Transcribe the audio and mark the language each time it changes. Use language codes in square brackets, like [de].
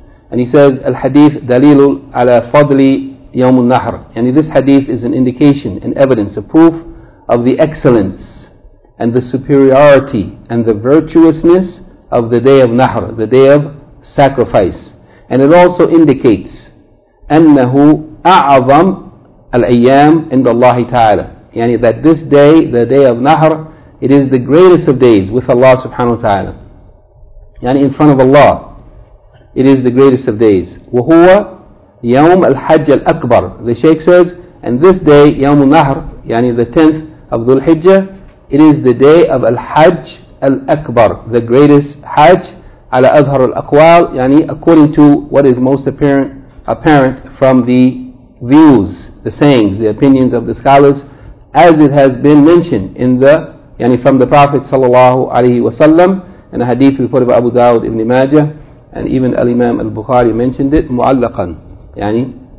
[en] And he says, [ar] Al-Hadith Dalilul ala Fadli Yawmul Nahr. [en] Yani this hadith is an indication, an evidence, a proof of the excellence and the superiority and the virtuousness of the day of Nahr, the day of sacrifice. And it also indicates [ar] أَنَّهُ أَعَظَمْ الْأَيَّامِ عِنْدَ اللَّهِ تَعَالَى. [en] Yani that this day, the day of Nahr, it is the greatest of days with Allah subhanahu wa ta'ala. Yani in front of Allah, it is the greatest of days. [ar] وَهُوَ يَوْمْ الْحَجَّ الْأَكْبَرِ. [en] The Shaykh says, and this day, يَوْمُ النَّهْرِ, yani the 10th of Dhul Hijjah, it is the day of Al-Hajj Al-Akbar, the greatest Hajj, [ar] عَلَى أَظْهَرُ الْأَقْوَالِ, [en] yani according to what is most apparent from the views, the sayings, the opinions of the scholars, as it has been mentioned in the yani from the Prophet sallallahu alaihi wasallam, and a hadith reported by Abu Dawud ibn Majah, and even Al Imam Al Bukhari mentioned it mu'allaqan, yani